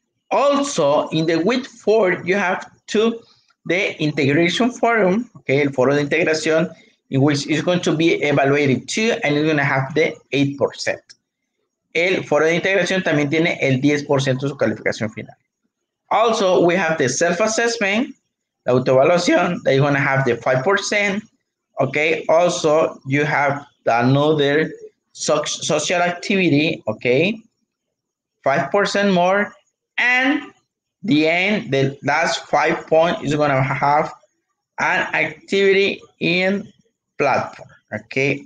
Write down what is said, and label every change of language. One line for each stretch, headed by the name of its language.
English: Also, in the week four, you have to the integration forum, okay,
Spanish: el foro de integración,
English: in which is going to be evaluated too, and you're going to have the 8%.
Spanish: El foro de integración también tiene el 10% de su calificación final.
English: Also, we have the self-assessment,
Spanish: la autoevaluación,
English: that you're going to have the 5%, okay? Also, you have another social activity, okay? 5% more. And the end, the last 5 points is gonna have an activity in platform, okay?